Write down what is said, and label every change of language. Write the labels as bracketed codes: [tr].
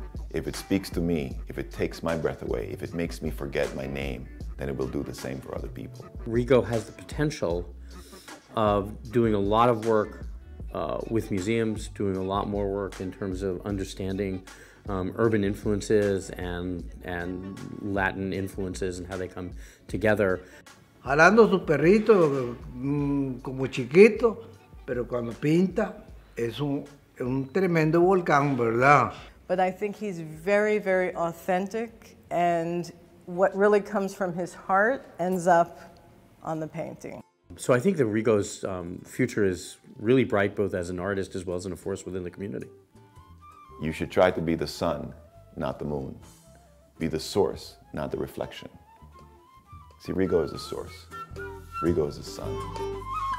[en] If it speaks to me, if it takes my breath away, if it makes me forget my name, then it will do the same for other people. Rigo has the potential of doing a lot of work with museums, doing a lot more work in terms of understanding urban influences and Latin influences and how they come together. [es] Jalando su perrito como chiquito, pero cuando pinta es un tremendo volcán, ¿verdad? [en] But I think he's very, very authentic, and what really comes from his heart ends up on the painting. So I think that Rigo's future is really bright, both as an artist as well as in a force within the community. You should try to be the sun, not the moon. Be the source, not the reflection. See, Rigo is the source. Rigo is the sun.